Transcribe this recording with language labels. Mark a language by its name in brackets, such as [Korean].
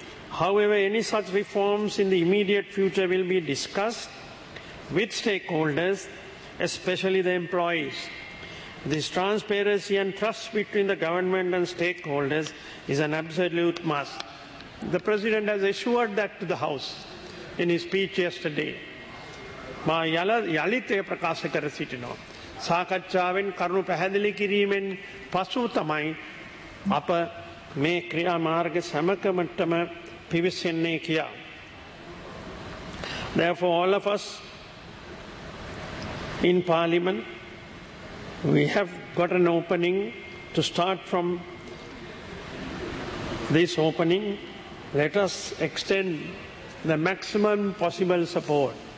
[English] However, any such reforms in the immediate future will be discussed with stakeholders, especially the employees. This transparency and trust between the government and stakeholders is an absolute must. The President has assured that to the House in his speech yesterday. [Sinhala] මා යලිතය ප්‍රකාශ කර සිටිනවා. සාකච්ඡාවෙන් කරුණු පැහැදිලි කිරීමෙන් පසු තමයි අප මේ ක්‍රියාමාර්ග සමකමටම පිවිසෙන්නේ කියා. [English] Therefore, all of us in Parliament we have got an opening to start from this opening. Let us extend the maximum possible support.